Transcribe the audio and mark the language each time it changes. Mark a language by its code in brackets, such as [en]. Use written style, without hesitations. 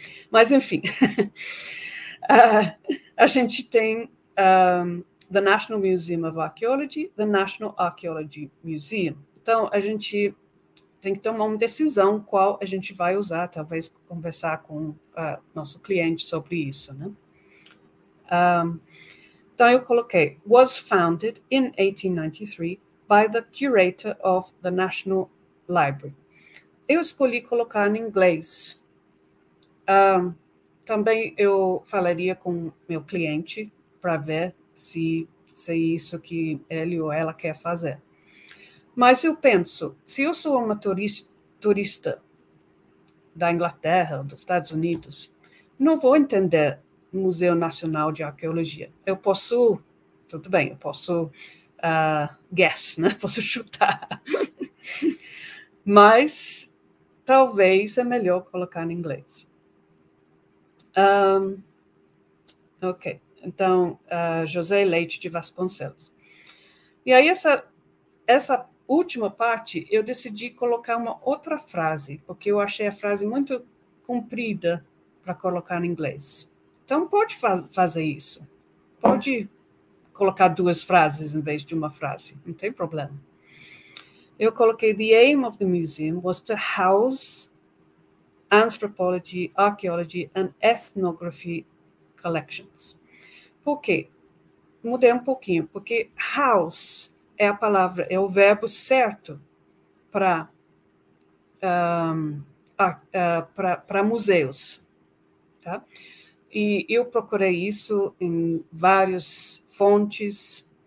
[pt] Mas, enfim, a gente tem [en] the National Museum of Archaeology, the National Archaeology Museum. [pt] Então, a gente tem que tomar uma decisão qual a gente vai usar, talvez conversar com nosso cliente sobre isso, né? Então, eu coloquei, [en] was founded in 1893 by the curator of the National Library. [pt] Eu escolhi colocar em inglês. Também eu falaria com meu cliente para ver se é isso que ele ou ela quer fazer. Mas eu penso, se eu sou uma turista da Inglaterra, dos Estados Unidos, não vou entender Museu Nacional de Arqueologia. Eu posso, tudo bem, eu posso guess, né? Posso chutar. Mas talvez é melhor colocar em inglês. Ok, então, José Leite de Vasconcelos. E aí, essa última parte, eu decidi colocar uma outra frase, porque eu achei a frase muito comprida para colocar em inglês. Então, pode fazer isso. Pode colocar duas frases em vez de uma frase. Não tem problema. Eu coloquei, [en] the aim of the museum was to house anthropology, archaeology and ethnography collections. [pt] Por quê? Mudei um pouquinho, porque house é a palavra, é o verbo certo para para museus. Tá? E eu procurei isso em várias fontes.